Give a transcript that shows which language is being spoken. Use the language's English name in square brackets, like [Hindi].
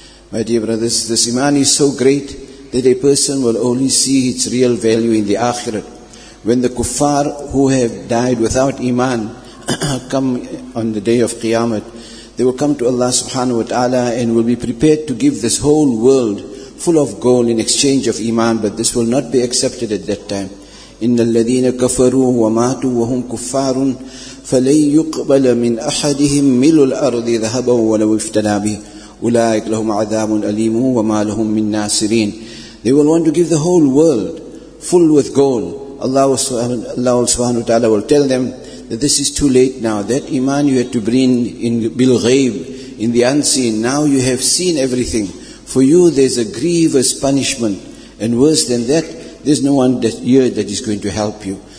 [English] My dear brothers, this iman is so great that a person will only see its real value in the akhirat. When the kuffar who have died without iman come on the day of qiyamah, they will come to Allah subhanahu wa ta'ala and will be prepared to give this whole world full of gold in exchange of iman, but this will not be accepted at that time. [Arabic] إِنَّ الَّذِينَ كَفَرُوا وَمَاتُوا وَهُمْ كُفَّارٌ فَلَنْ يُقْبَلَ مِنْ أَحَدِهِمْ مِلُ الْأَرْضِ ذَهَبًا وَلَوْ افْتَدَى بِهِ أُولَٰئِكَ لَهُمْ عَذَابٌ أَلِيمٌ وَمَا لَهُمْ مِنْ نَاصِرِينَ [English] They will want to give the whole world full with gold. Allah subhanahu wa ta'ala will tell them that this is too late now. That iman you had to bring in bil-ghayb, in the unseen. Now you have seen everything. For you there's a grievous punishment. And worse than that, there's no one that here that is going to help you.